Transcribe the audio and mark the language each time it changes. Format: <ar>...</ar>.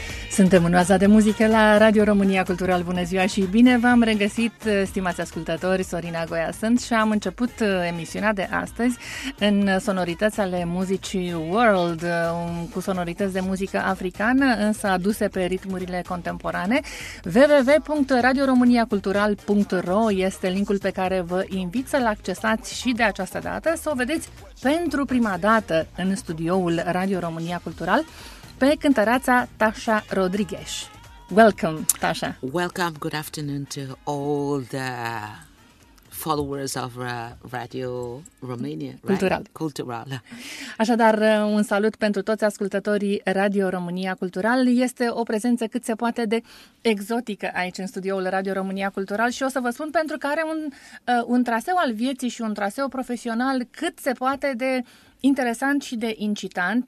<ro>Suntem în Oaza de muzică la Radio România Cultural. Bună ziua și bine v-am regăsit, stimați ascultători, Sorina Goia sunt și am început emisiunea de astăzi în sonorități ale muzicii world, cu sonorități de muzică africană, însă aduse pe ritmurile contemporane. www.radioromaniacultural.ro este linkul pe care vă invit să-l accesați și de această dată, să o vedeți pentru prima dată în studioul Radio România Cultural, pe cântăreața Tasha Rodriguez.</ro> <en>Welcome, Tasha. Welcome, good afternoon to all the followers of Radio Romania. Cultural. Right? Cultural.</en> <ro>Așadar, un salut pentru toți ascultătorii Radio România Cultural. Este o prezență cât se poate de exotică aici în studioul Radio România Cultural și o să vă spun pentru că are un traseu al vieții și un traseu profesional cât se poate de interesant și de incitant.</ro>